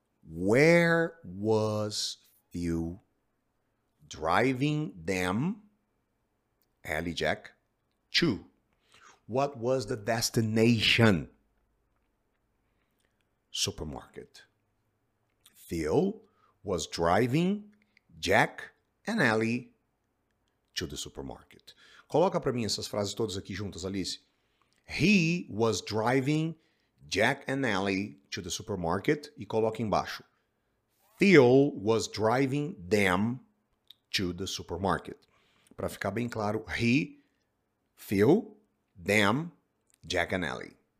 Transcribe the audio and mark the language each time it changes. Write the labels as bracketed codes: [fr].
[en] Where was Phil driving them, Allie, Jack, to? What was the destination? Supermarket. Phil was driving Jack and Allie to the supermarket. [pt] Coloca para mim essas frases todas aqui juntas, Alice. [en] He was driving Jack and Allie to the supermarket. [pt] E coloca embaixo. [en] Phil was driving them to the supermarket. [pt] Para ficar bem claro, he, Phil, them, Jack and Allie.